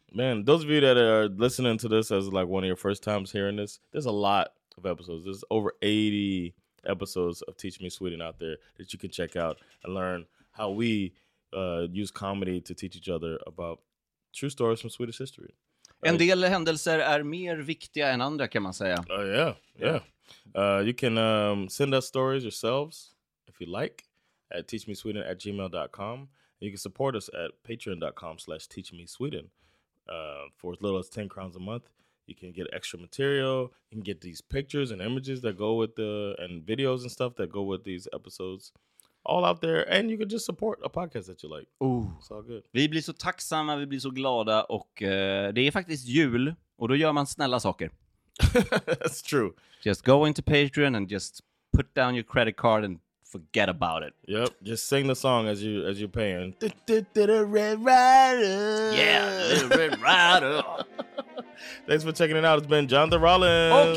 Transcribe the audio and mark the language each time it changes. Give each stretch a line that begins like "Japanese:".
English: Man, those of you that are listening to this as like one of your first times hearing this, there's a lot of episodes. There's over 80 episodes of Teach Me Sweden out there that you can check out and learn how we use comedy to teach each other about true stories from Swedish history.
Swedish: En del händelser är mer viktiga än andra, kan man säga.
English: Yeah. You can send us stories yourselves, if you like, at teachmesweden@gmail.com. You can support us at patreon.com/teachmesweden. For as little as 10 crowns a month, you can get extra material. You can get these pictures and images that go with the, and videos and stuff that go with these episodes. All out there, and you can just support a podcast that you like. Ooh. It's all good.
Swedish: Vi blir så tacksamma, vi blir så glada, och det är faktiskt jul, och då gör man snälla saker.
English: That's true. Just go into Patreon and just put down your credit card and forget about it. Yep, just sing the song as you're paying. The Red Rider. Yeah, the Red Rider. Thanks for checking it out. It's been Jonathan Rollins.